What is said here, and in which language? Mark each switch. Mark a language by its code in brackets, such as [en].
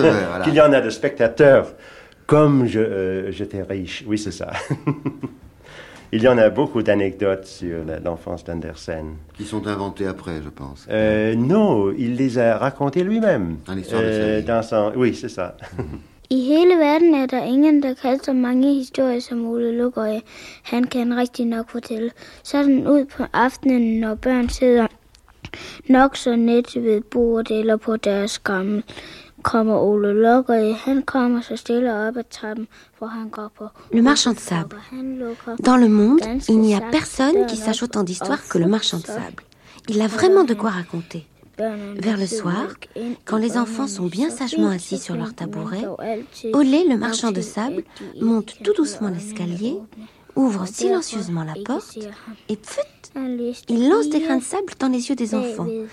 [fr] voilà. Qu'il y en a de spectateurs, comme j'étais riche. Oui, c'est ça. Il y en a beaucoup d'anecdotes sur l'enfance d'Andersen. Qui sont inventées après, je pense. Non, il les a racontées lui-même. Dans l'histoire de sa vie. Dans son... Oui, c'est ça. [da] I hele verden er der ingen, der kan så mange historier som Ole Lukøje. Han kan rigtig nok fortælle. Sådan ud på aftenen, når børn sidder nok så net ved bordet eller på deres gammel, kommer Ole Lukøje. Han kommer så stille op ad trappen, hvor han går på... [fr] Le marchand de sable. Dans le monde, il n'y a personne qui sache autant d'histoires que le marchand de sable. Il a vraiment de quoi raconter. Vers le soir, quand les enfants sont bien sagement assis sur leur tabouret, Olé, le marchand de sable, monte tout doucement l'escalier, ouvre silencieusement la porte et pfut, il lance des grains de sable dans les yeux des enfants.